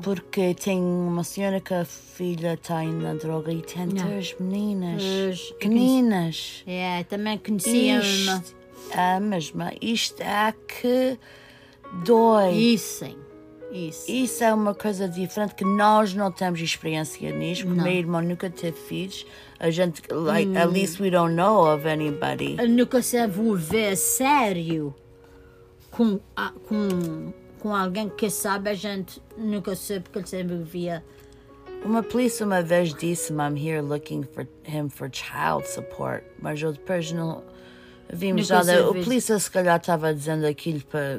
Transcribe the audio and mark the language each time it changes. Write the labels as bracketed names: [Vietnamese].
[Portuguese] Porque tem uma senhora que a filha está indo na droga e tem três meninas. Meninas. É, também conhecia uma. É a mesma. Isto é que dói. Isso, sim. Isso é uma coisa diferente que nós não temos experiência nisso. Não. Meu irmão nunca teve filhos. A gente, [English] at least we don't know of anybody. [Portuguese] Eu nunca se envolver a sério. Com alguém que sabe, a gente nunca soube, porque ele sempre via. Uma polícia uma vez disse-me, [English] I'm here looking for him for child support. [Portuguese] Mas eu depois não... Vimos nada. A polícia se calhar estava dizendo aquilo para...